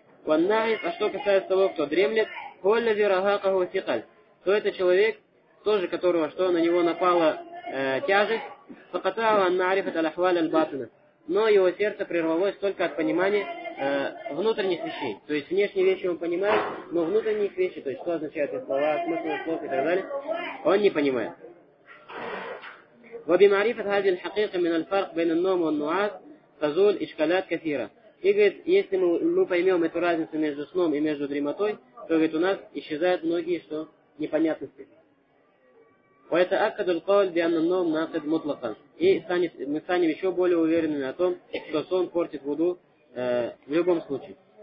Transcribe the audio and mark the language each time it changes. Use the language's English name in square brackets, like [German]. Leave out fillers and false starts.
[Arabic] والناعس, [Russian] а что касается того, кто дремлет, [Arabic] هو الذي رهقه ثقل, [Russian] то это человек тоже, которого что на него напала тяжесть. [Arabic] فقطعه عن معرفة الأحوال الباطنة, [Russian] но его сердце прервалось только от понимания внутренних вещей. То есть внешние вещи он понимает, но внутренние вещи, то есть что означают эти слова, смысл слов и так далее, он не понимает. [Arabic] وبمعرفه هذه الحقيقه من الفرق بين النوم والنعاس تزول اشكالات كثيره. [Russian] И говорит, если мы поймем эту разницу между сном и между дремотой, то говорит, у нас исчезают многие что непонятности. Поэтому [Arabic] акад аль-каул бианна ан-наум накид мутлакан. [Russian] И мы станем еще более уверенными о том, что сон портит вуду в любом случае.